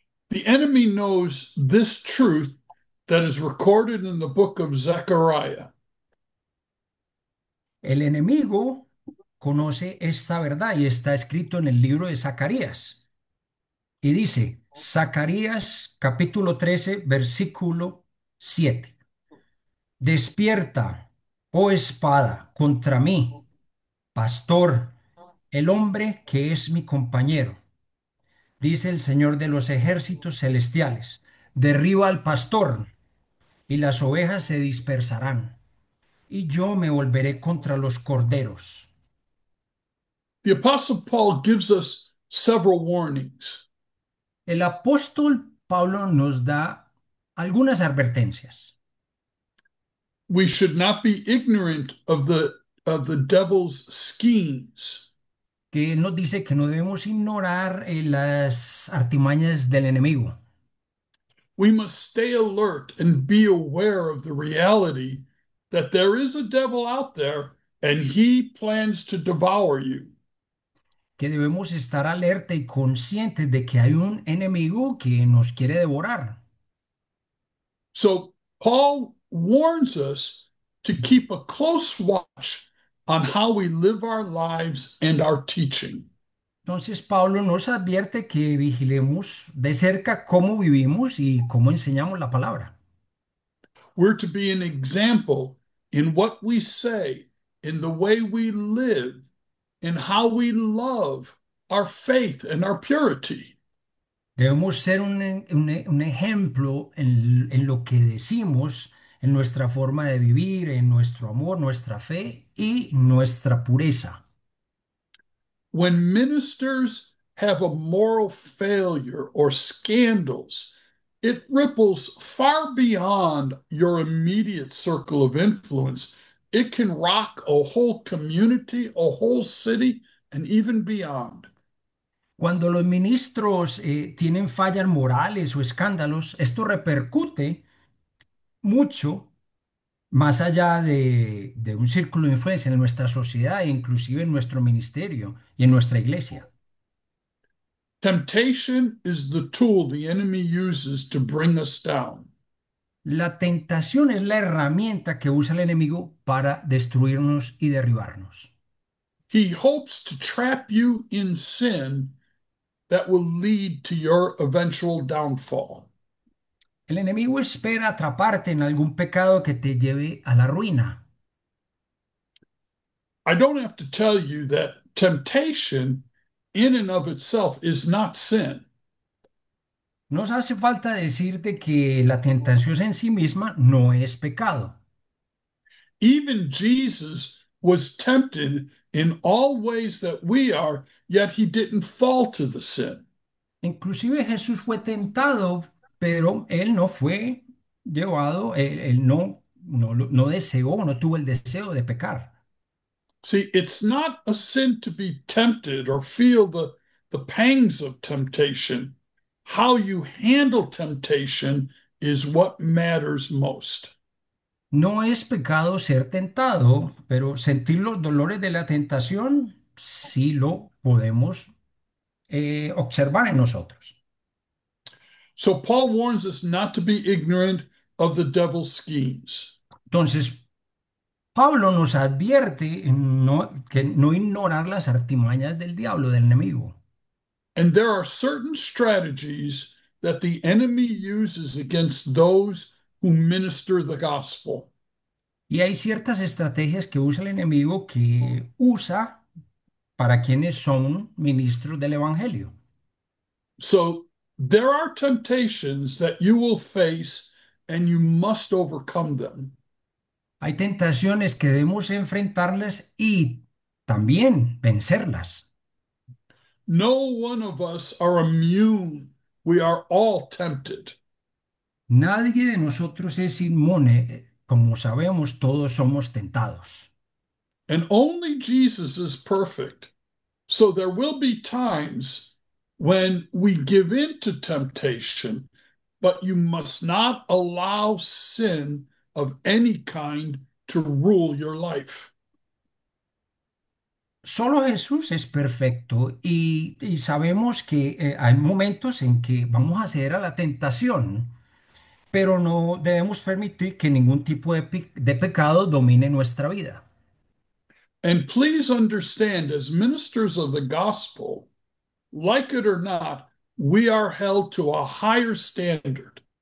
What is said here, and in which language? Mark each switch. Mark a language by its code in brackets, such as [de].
[en] The enemy knows this truth that is recorded in the book of Zechariah. [es] El enemigo conoce esta verdad y está escrito en el libro de Zacarías. Y dice, Zacarías capítulo 13, versículo 7. Despierta, oh espada, contra mí, pastor, el hombre que es mi compañero, dice el Señor de los ejércitos celestiales. Derriba al pastor y las ovejas se dispersarán, y yo me volveré contra los corderos. [en] The Apostle Paul gives us several warnings. [es] El apóstol Pablo nos da algunas advertencias. [en] We should not be ignorant of the devil's schemes. [es] Que nos dice que no debemos ignorar las artimañas del enemigo. [en] We must stay alert and be aware of the reality that there is a devil out there and he plans to devour you. [es] Que debemos estar alerta y conscientes de que hay un enemigo que nos quiere devorar. [en] So Paul warns us to keep a close watch on how we live our lives and our teaching. [es] Entonces Pablo nos advierte que vigilemos de cerca cómo vivimos y cómo enseñamos la palabra. [en] We're to be an example in what we say, in the way we live, in how we love our faith and our purity. [es] Debemos ser un ejemplo en lo que decimos, en nuestra forma de vivir, en nuestro amor, nuestra fe y nuestra pureza. [en] When ministers have a moral failure or scandals, it ripples far beyond your immediate circle of influence. It can rock a whole community, a whole city, and even beyond. [es] Cuando los ministros tienen fallas morales o escándalos, esto repercute mucho más allá de un círculo de influencia en nuestra sociedad e inclusive en nuestro ministerio y en nuestra iglesia. [en] Temptation is the tool the enemy uses to bring us down. [es] La tentación es la herramienta que usa el enemigo para destruirnos y derribarnos. [en] He hopes to trap you in sin that will lead to your eventual downfall. [es] El enemigo espera atraparte en algún pecado que te lleve a la ruina. [en] I don't have to tell you that temptation in and of itself is not sin. [es] Nos hace falta decirte que la tentación en sí misma no es pecado. [en] Even Jesus was tempted in all ways that we are, yet he didn't fall to the sin. [es] Inclusive Jesús fue tentado. Pero él no fue llevado, él no no deseó, no tuvo el deseo de pecar. [en] See, it's not a sin to be tempted or feel the pangs of temptation. How you handle temptation is what matters most. [es] No es pecado ser tentado, pero sentir los dolores de la tentación sí lo podemos observar en nosotros. [en] So Paul warns us not to be ignorant of the devil's schemes. [es] Entonces, Pablo nos advierte que no ignorar las artimañas del diablo, del enemigo. [en] And there are certain strategies that the enemy uses against those who minister the gospel. [es] Y hay ciertas estrategias que usa el enemigo que usa para quienes son ministros del evangelio. [en] So there are temptations that you will face and you must overcome them. [es] Hay tentaciones que debemos enfrentarlas y también vencerlas. [en] No one of us are immune. We are all tempted. [es] Nadie de nosotros es inmune. Como sabemos, todos somos tentados. [en] And only Jesus is perfect. So there will be times when we give in to temptation, but you must not allow sin of any kind to rule your life. [es] Solo Jesús es perfecto y sabemos que hay momentos en que vamos a ceder a la tentación, pero no debemos permitir que ningún tipo de pecado domine nuestra vida. [en] And please understand, as ministers of the gospel, like it or not, we are held to a higher standard.